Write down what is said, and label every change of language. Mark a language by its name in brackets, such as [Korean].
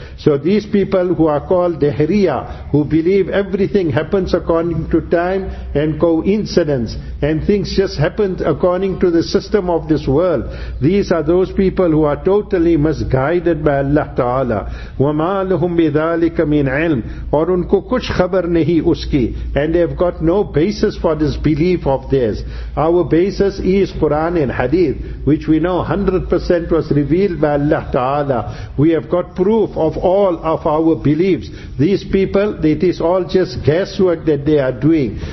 [English] So these people who are called Dehriya, who believe everything happens according to time and coincidence, and things just happen according to the system of this world, these are those people who are totally misguided by Allah Ta'ala. [Arabic] وَمَا لَهُمْ بِذَٰلِكَ مِنْ عِلْمٍ. [Urdu] اور ان کو کچھ خبر نہیں اس کی. [English] And they have got no basis for this belief of theirs. Our basis is Quran and Hadith, which we know 100% was revealed by Allah Ta'ala. We have got proof of all of our beliefs. These people, it is all just guesswork that they are doing.